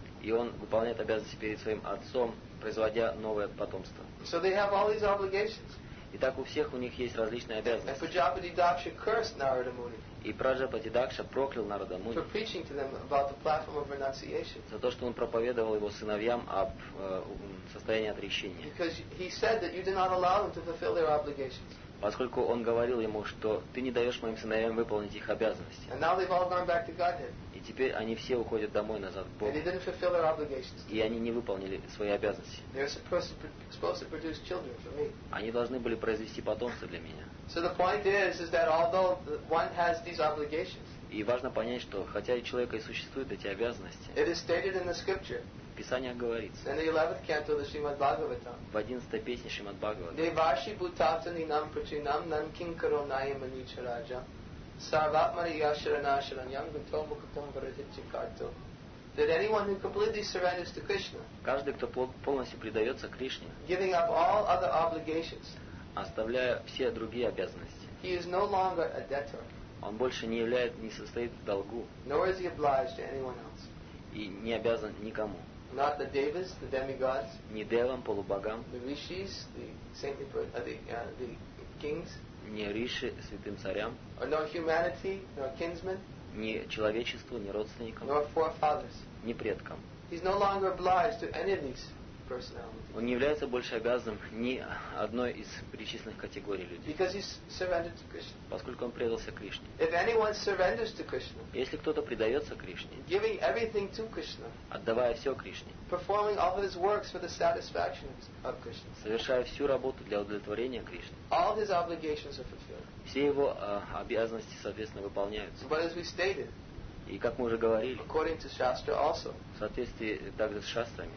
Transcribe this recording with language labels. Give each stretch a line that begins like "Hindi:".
Russian: И он выполняет обязанности перед своим отцом, производя новое потомство.
English: So they have all these obligations.
Russian: Итак, у всех у них есть различные обязанности.
English: And Prajapati Daksha cursed Narada Muni.
Russian: И Праджапати Дакша проклял Нарада Муни.
English: For preaching to them about the platform of renunciation.
Russian: За то, что он проповедовал его сыновьям об состоянии отречения.
English: Because he said that you do not allow them to fulfill their obligations.
Russian: Поскольку он говорил ему, что ты не даешь моим сыновьям выполнить их обязанности.
English: And now they've all gone back to Godhead.
Russian: И теперь они все уходят домой назад к Богу.
English: And they didn't fulfill their obligations.
Russian: И они не выполнили свои обязанности.
English: They're supposed to produce children for me.
Russian: Они должны были произвести потомство для меня.
English: So the point is that although one has these obligations.
Russian: И важно понять, что хотя у человека и существуют эти обязанности.
English: It is stated in the scripture.
Russian: В Писаниях говорится.
English: In the 11th canto of the Srimad Bhagavatam.
Russian: В 11-й песне Шримад Бхагаватам.
Sanskrit: Devashi bhutatani nam prachinam nam kim karonaya manicha raja. Sarvatmani yasharana sharanyam gutomukatam varitichikato.
English: That anyone who completely surrenders to Krishna.
Russian: Каждый, кто полностью предается Кришне.
English: Giving up all other obligations.
Russian: Оставляя все другие обязанности.
English: He is no longer a debtor.
Russian: Он больше не является, не состоит в долгу.
English: Nor is he obliged to anyone else.
Russian: И не обязан никому.
English: Not the devas, the demigods.
Russian: Не девам, полубогам.
English: The rishis, the saintly, the kings.
Russian: Не риши, святым царям.
English: Or no humanity, nor kinsmen.
Russian: Не человечеству, не родственникам.
English: Nor forefathers.
Russian: Не предкам.
English: He's no longer obliged to any of these personalities.
Russian: Он не является больше обязанным ни одной из перечисленных категорий людей.
English: Because he's surrendered to Krishna.
Russian: Поскольку он предался Кришне.
English: If anyone surrenders to Krishna.
Russian: Если кто-то предается Кришне.
English: Giving everything to Krishna.
Russian: Отдавая все Кришне.
English: Performing all of his works for the satisfaction of Krishna.
Russian: Совершая всю работу для удовлетворения Кришны.
English: All his obligations are fulfilled.
Russian: Все его обязанности, соответственно, выполняются.
English: But as we stated.
Russian: И как мы уже говорили,
English: according to Shastra also,
Russian: в соответствии также с шастрами,